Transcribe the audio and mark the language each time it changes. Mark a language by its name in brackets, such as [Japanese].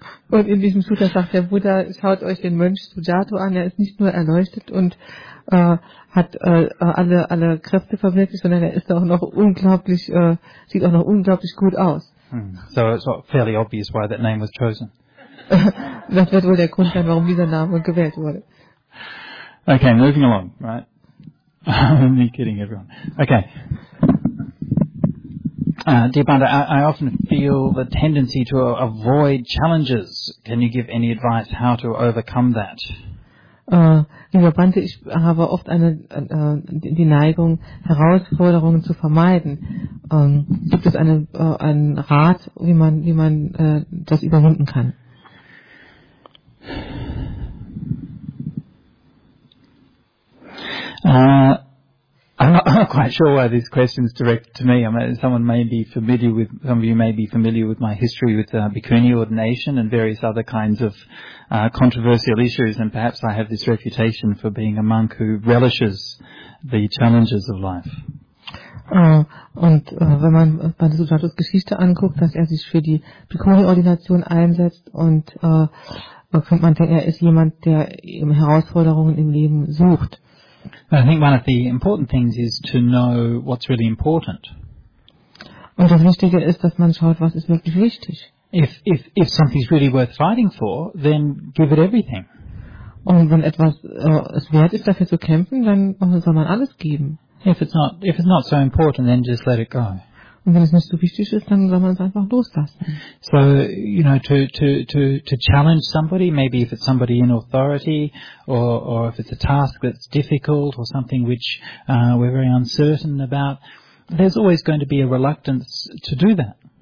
[German] Und in diesem Sutta sagt der Buddha, schaut euch den Mönch Sujato an, er ist nicht nur erleuchtet und hat alle Kräfte verwirklicht, sondern er ist auch noch unglaublich, sieht auch noch unglaublich gut aus. [English] So it's fairly obvious why that name was chosen. [German] Das wird wohl der Grund sein, warum dieser Name gewählt wurde. [English] Okay, moving along, right? I'm kidding everyone. Okay. Deepanda, I often feel the tendency to avoid challenges. Can you give any advice how to overcome that? [German] Lieber Bante, ich habe oft die Neigung, Herausforderungen zu vermeiden. Gibt es einen Rat, wie man das überwinden kann? [English] I'm not quite sure why this question is directed to me. I mean, some of you may be familiar with my history with bhikkhuni ordination and various other kinds of controversial issues, and perhaps I have this reputation for being a monk who relishes the challenges of life. [German] Wenn man Bante Sujatos Geschichte anguckt, dass er sich für die bhikkhuni Ordination einsetzt und könnte man denken, er ist jemand, der eben Herausforderungen im Leben sucht. [English] But I think one of the important things is to know what's really important. [German] Und das Wichtige ist, dass man schaut, was ist wirklich wichtig. [English] If something's really worth fighting for, then give it everything. [German] Und wenn etwas es wert ist, dafür zu kämpfen, dann soll man alles geben. [English] If it's not so important, then just let it go. [German] Und wenn es nicht so wichtig ist, dann soll man es einfach loslassen. [English] So, you know, to challenge somebody, maybe if it's somebody in authority or if it's a task that's difficult or something which we're very uncertain about, there's always going to be a reluctance to do that.